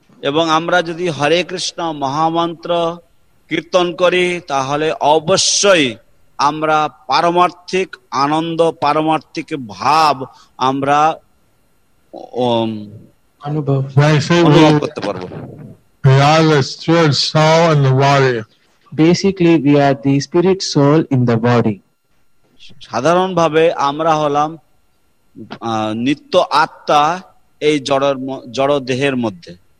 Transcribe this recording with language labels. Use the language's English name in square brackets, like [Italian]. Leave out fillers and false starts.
[Bangla] এবং আমরা যদি হরে কৃষ্ণ মহামন্ত্র কীর্তন করি তাহলে অবশ্যই আমরা পারমার্থিক আনন্দ পারমার্থিক ভাব আমরা অনুভব করতে পারব। [English] We are the spirit soul in the body. Basically, we are the spirit soul in the body. [Bangla] সাধারণভাবে আমরা হলাম নিত্য আত্মা এই জড় দেহের মধ্যে।